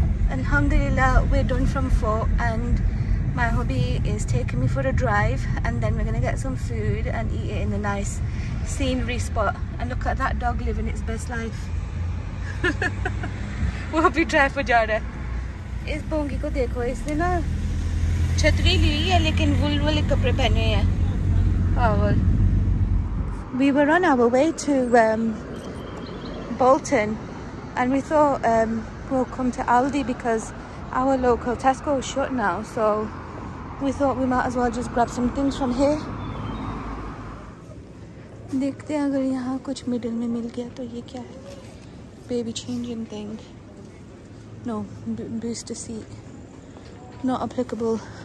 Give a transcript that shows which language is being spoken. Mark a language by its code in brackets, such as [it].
[en] Alhamdulillah, we're done from 4 and my hubby is taking me for a drive, and then we're gonna get some food and eat it in the nice scenery spot. And look at that dog living its best life. We hope you drive for Jada. [hi] इस बोंगी को देखो इसने ना छतरी ली हुई है लेकिन wool वाले कपड़े पहने है. [en] Oh, well. We were on our way to Bolton and we thought we'll come to Aldi because our local Tesco is shut now, so we thought we might as well just grab some things from here. [hi] देखते हैं अगर यहाँ कुछ middle में मिल गया तो ये क्या है? [en] Baby changing thing. No, booster seat. Not applicable.